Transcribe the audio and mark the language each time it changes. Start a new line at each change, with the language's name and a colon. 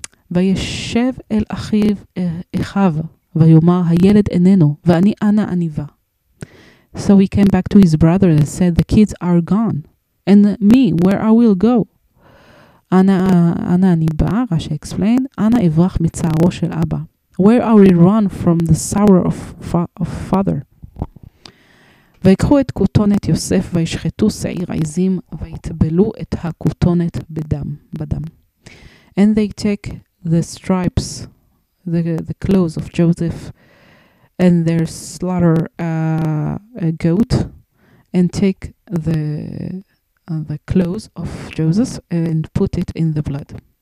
Hebrew: וישב אל אחיו אחיו ויאמר הילד איננו ואני אנה עניבה.
English: So he came back to his brother and said, the kids are gone, and me, where I will go?
Hebrew: אנה עניבה,
English: רשי explained,
Hebrew: אנה אברח מצערו של אבא.
English: Where are we run from the sorrow of father?
Hebrew: ויקחו את כותונת יוסף וישחטו שעיר עיזים ויתבלו את הכותונת בדם, בדם.
English: And they take the stripes, the clothes of Joseph, and they slaughter a goat, and take the clothes of Joseph and put it in the blood.